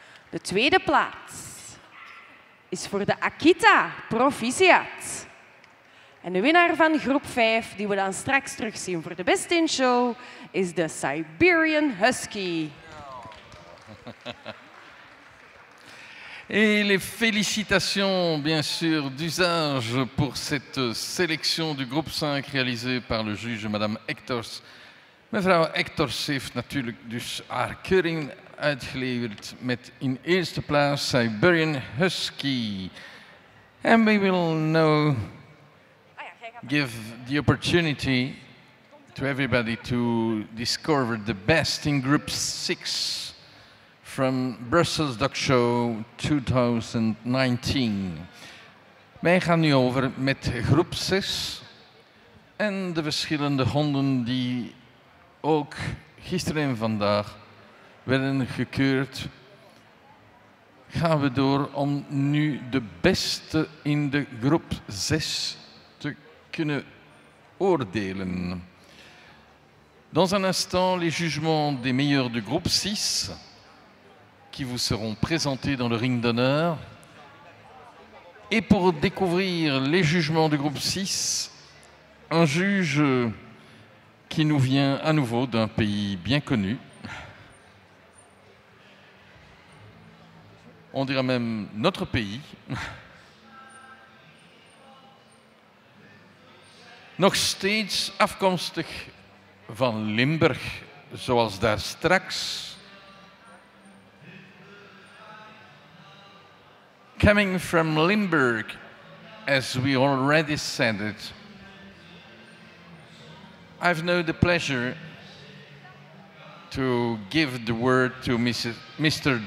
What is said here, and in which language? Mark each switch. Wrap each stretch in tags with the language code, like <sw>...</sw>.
<nl>De tweede plaats is voor de Akita, proficiat. En de winnaar van groep 5, die we dan straks terugzien voor de Best in Show, is de Siberian Husky.</nl> <fr>Et les félicitations, bien sûr, d'usage pour cette sélection du groupe 5 réalisée par le juge Madame Hectors.</fr> <nl>Mevrouw Hectors heeft natuurlijk dus haar keuring uitgeleverd met in eerste plaats Siberian Husky.</nl> <en>And we will now give the opportunity to everybody to discover the best in group 6. From Brussels Dog Show 2019.</en> <nl>Wij gaan nu over met groep 6 en de verschillende honden die ook gisteren en vandaag werden gekeurd. Gaan we door om nu de beste in de groep 6 te kunnen oordelen.</nl> <fr>Dans un instant, les jugements des meilleurs du groupe 6. Qui vous seront présentés dans le ring d'honneur. Et pour découvrir les jugements du groupe 6, un juge qui nous vient à nouveau d'un pays bien connu. On dirait même notre pays.</fr> <nl>Nog steeds afkomstig van Limburg, zoals daar straks.</nl> <en>Coming from Limburg, as we already said it, I've now the pleasure to give the word to Mr.</en>